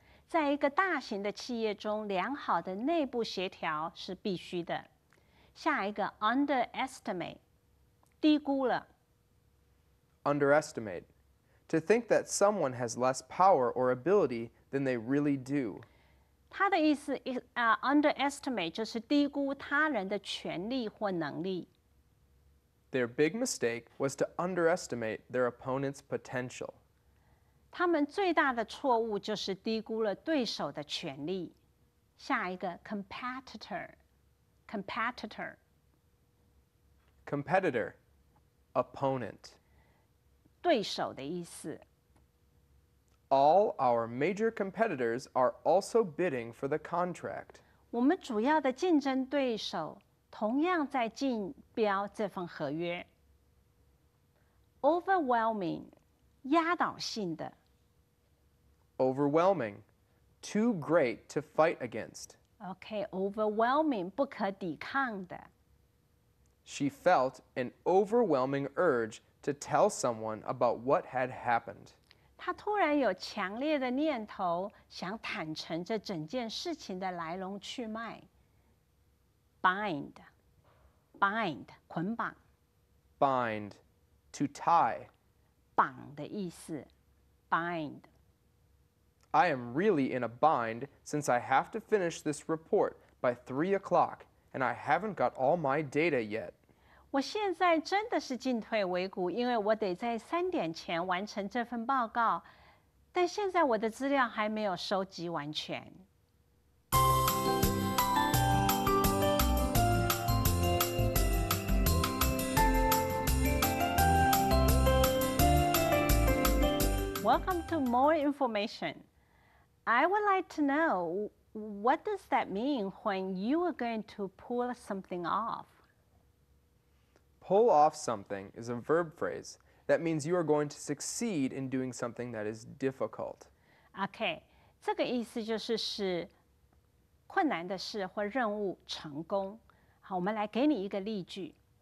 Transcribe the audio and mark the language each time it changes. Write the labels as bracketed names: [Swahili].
[Chinese] 在一个大型的企业中，良好的内部协调是必须的。下一个 [English] underestimate, [Chinese] 低估了。 [English] Underestimate, to think that someone has less power or ability than they really do. [Chinese] 他的意思 [English] underestimate [Chinese] 就是低估他人的权力或能力。 [English] Their big mistake was to underestimate their opponent's potential. [Chinese] 他们最大的错误就是低估了对手的权力。下一个 [English] competitor. Competitor. Competitor. Opponent. [Chinese] 对手的意思。 [English] All our major competitors are also bidding for the contract. [Chinese] 我们主要的竞争对手同样在竞标这份合约。 [English] Overwhelming. [Chinese] 压倒性的。 [English] Overwhelming. Too great to fight against. Okay, overwhelming, [Chinese] 不可抵抗的。 [English] She felt an overwhelming urge to tell someone about what had happened. [Chinese] 她突然有强烈的念头想坦诚这整件事情的来龙去脉。 [English] Bind, [Chinese] 捆绑。 [English] Bind, to tie. [Chinese] 绑的意思 , [English] bind. I am really in a bind since I have to finish this report by 3 o'clock, and I haven't got all my data yet. [Chinese] 我现在真的是进退维谷，因为我得在三点前完成这份报告，但现在我的资料还没有收集完全。 [English] Welcome to more information. I would like to know, what does that mean when you are going to pull something off? Pull off something is a verb phrase. That means you are going to succeed in doing something that is difficult. Okay, [Chinese] 这个意思就是使困难的事或任务成功。好，我们来给你一个例句。